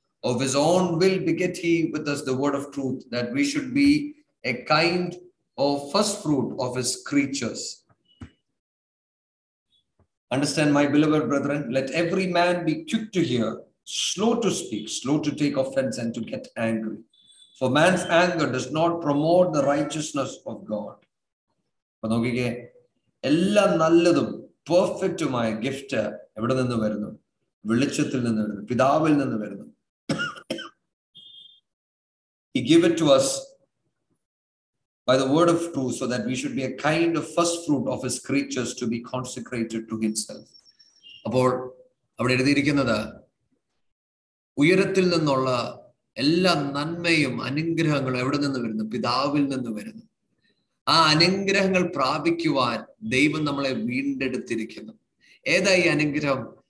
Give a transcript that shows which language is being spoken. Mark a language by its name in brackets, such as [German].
[English] Of his own will beget he with us the word of truth, that we should be a kind of first fruit of his creatures. Understand, my beloved brethren, let every man be quick to hear, slow to speak, slow to take offense and to get angry. For man's anger does not promote the righteousness of God. [Malayalam] അപ്പൊ നോക്കിക്കേ, എല്ലാം നല്ലതും പെർഫെക്റ്റുമായ gift എവിടെ നിന്ന് വരുന്നു? വെളിച്ചത്തിൽ നിന്ന് വരുന്നു, പിതാവിൽ നിന്ന് വരുന്നു. [English] He gave it to us by the word of truth, so that we should be a kind of first fruit of his creatures to be consecrated to himself. [Malayalam] അപ്പോൾ അവിടെ എഴുതിയിരിക്കുന്നത്, ഉയരത്തിൽ നിന്നുള്ള എല്ലാ നന്മയും അനുഗ്രഹങ്ങളും എവിടെ നിന്ന് വരുന്നു? പിതാവിൽ നിന്ന് വരുന്നു. ആ അനുഗ്രഹങ്ങൾ പ്രാപിക്കുവാൻ ദൈവം നമ്മളെ വീണ്ടെടുത്തിരിക്കുന്നു. ഏതാ ഈ അനുഗ്രഹം?